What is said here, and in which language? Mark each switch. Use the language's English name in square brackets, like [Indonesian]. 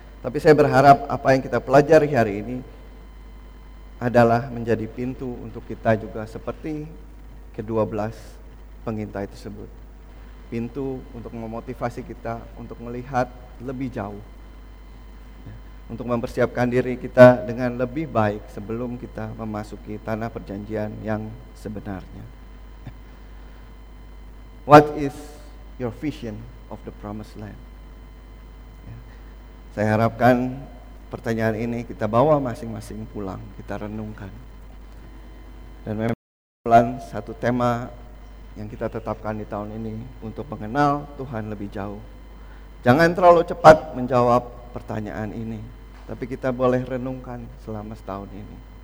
[Indonesian] Tapi saya berharap apa yang kita pelajari hari ini adalah menjadi pintu untuk kita juga seperti kedua belas pengintai tersebut. Pintu untuk memotivasi kita untuk melihat lebih jauh, untuk mempersiapkan diri kita dengan lebih baik sebelum kita memasuki tanah perjanjian yang sebenarnya. [English] What is your vision of the promised land? [Indonesian] Saya harapkan pertanyaan ini kita bawa masing-masing pulang, kita renungkan. Dan memang satu tema yang kita tetapkan di tahun ini untuk mengenal Tuhan lebih jauh. Jangan terlalu cepat menjawab pertanyaan ini, tapi kita boleh renungkan selama setahun ini.